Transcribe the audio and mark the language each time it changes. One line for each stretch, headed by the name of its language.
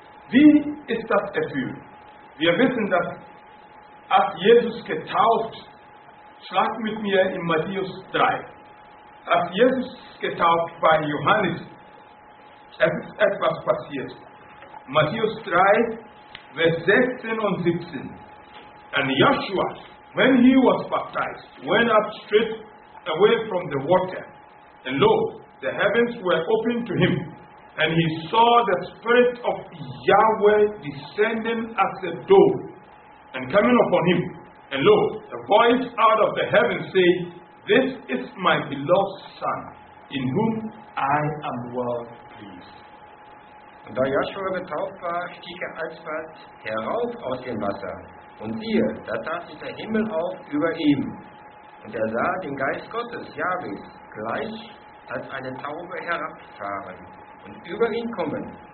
German: Wie ist das erfüllt? Wir wissen, dass als Jesus getauft, schlag mit mir in Matthäus 3, als Jesus getauft bei Johannes, es ist etwas passiert. Matthäus 3, Vers 16 und 17.
English: And Joshua, when he was baptized, went up straight away from the water. And lo, the heavens were opened to him. And he saw the Spirit of Yahweh descending as a dove and coming upon him. And lo, a voice out of the heavens said, this is my beloved Son, in whom I am well pleased.
German: Und da Joshua getauft war, stieg er alsbald herauf aus dem Wasser. Und siehe, da tat sich der Himmel auf über ihm. Und er sah den Geist Gottes, Jahwes, gleich als eine Taube herabfahren und über ihn kommen.